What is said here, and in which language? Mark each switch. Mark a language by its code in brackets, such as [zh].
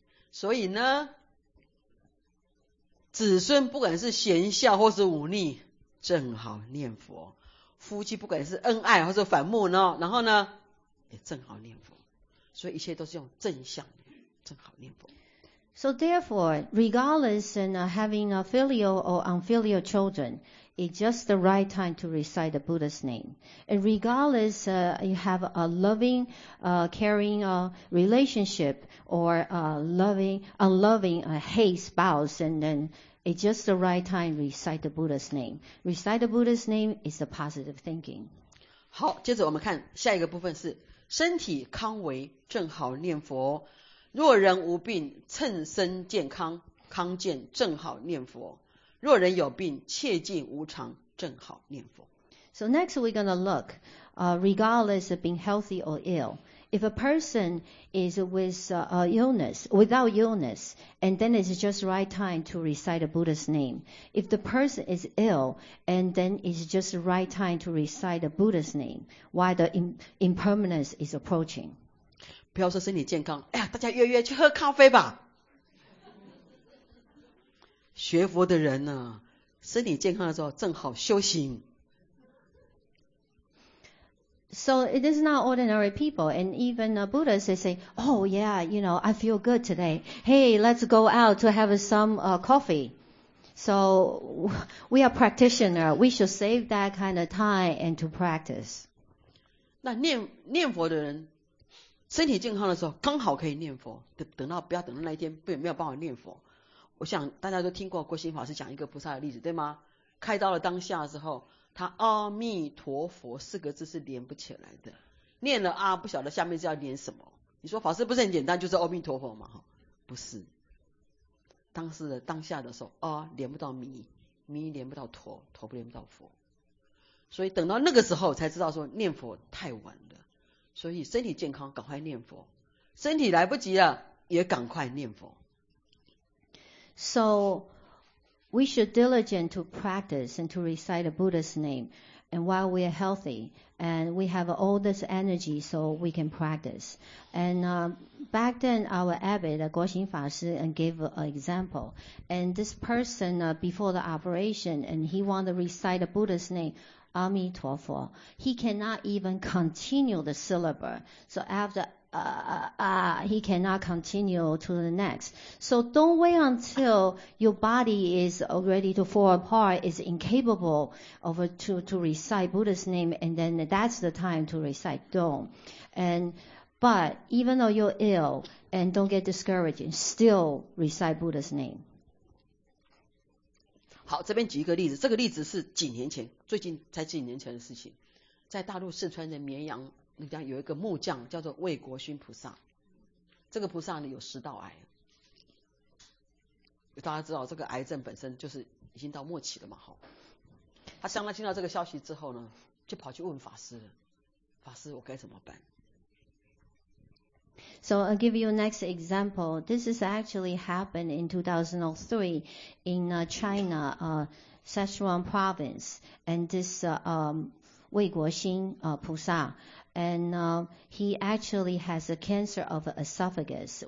[zh] 所以呢子孙不管是贤孝或是忤逆，正好念佛；夫妻不管是恩爱或是反目呢，然后呢，也正好念佛。所以一切都是用正向，正好念佛。 [en] So therefore, regardless in having a filial or unfilial children, it's just the right time to recite the Buddha's name. And regardless you have a loving, caring relationship or unloving, hate spouse, and then it's just the right time to recite the Buddha's name. Recite the Buddha's name is a positive thinking. [zh] 好，接着我们看下一个部分是身体康维，正好念佛。若人无病，趁身健康，康健正好念佛。若人有病，切尽无常，正好念佛。 [en] So next we're going to look, regardless of being healthy or ill, if a person is with illness, without illness, and then it's just right time to recite a Buddha's name. If the person is ill, and then it's just right time to recite a Buddha's name, while the impermanence is approaching. [zh] 不要说身体健康，哎呀，大家约约去喝咖啡吧。学佛的人呢，身体健康的时候正好修行。 [en] So it is not ordinary people, and even Buddhists, they say, "Oh yeah, you know, I feel good today. Hey, let's go out to have some coffee." So we are practitioner. We should save that kind of time and to practice. [zh] 那念佛的人。身体健康的时候刚好可以念佛，等到不要等到那一天没有办法念佛。我想大家都听过郭心法师讲一个菩萨的例子，对吗？开刀了当下的时候，他阿弥陀佛四个字是连不起来的，念了阿不晓得下面是要连什么。你说法师不是很简单，就是阿弥陀佛吗？不是，当时的当下的时候阿连不到弥，弥连不到陀，陀不连不到佛，所以等到那个时候才知道说念佛太晚了。所以身体健康赶快念佛，身体来不及了也赶快念佛。 [en] So we should diligent to practice and to recite the Buddha's name, and while we are healthy and we have all this energy, so we can practice. And back then our abbot Guo Xin Fa Shi gave an example, and this person before the operation, and he wanted to recite the Buddha's nameAmi 阿弥陀佛, he cannot even continue the syllable. So after he cannot continue to the next. So don't wait until your body is ready to fall apart, is incapable of to recite Buddha's name, and then that's the time to recite. Don't. And but even though you're ill, and don't get discouraged, still recite Buddha's name. [zh] 好，这边举一个例子，这个例子是几年前，最近才几年前的事情，在大陆四川的绵阳那边有一个木匠叫做魏国勋菩萨，这个菩萨呢有食道癌，大家知道这个癌症本身就是已经到末期了嘛，好，他相当听到这个消息之后呢，就跑去问法师了，法师我该怎么办？ [en] So I'll give you next example. This is actually happened in 2003 in China, Sichuan province, and this Wei Guoxin Pusa, and he actually has a cancer of esophagus.